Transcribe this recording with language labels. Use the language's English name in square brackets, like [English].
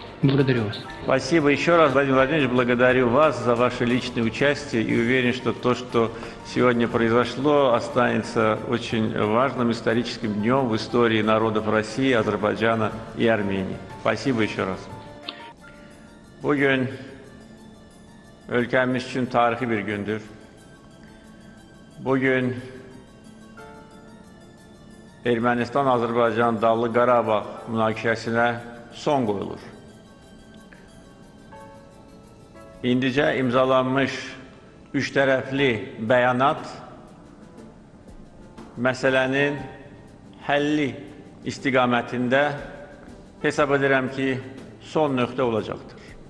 [Russian] Благодарю вас. Спасибо еще раз, Владимир Владимирович, благодарю вас за ваше личное участие и уверен, что то, что сегодня произошло, останется очень важным историческим днем в истории народов России, Азербайджана и Армении. Спасибо еще раз. [Turkish] Bugün ülkemiz için tarihi bir gündür. [Azerbaijani] Bugün Ermenistan-Azerbaycan Dağlı Qarabağ münaqişəsinə son qoyulur. İndicə imzalanmış üç tərəfli bəyanat məsələnin həlli istiqamətində hesab edirəm ki, son nöqtə olacaqdır.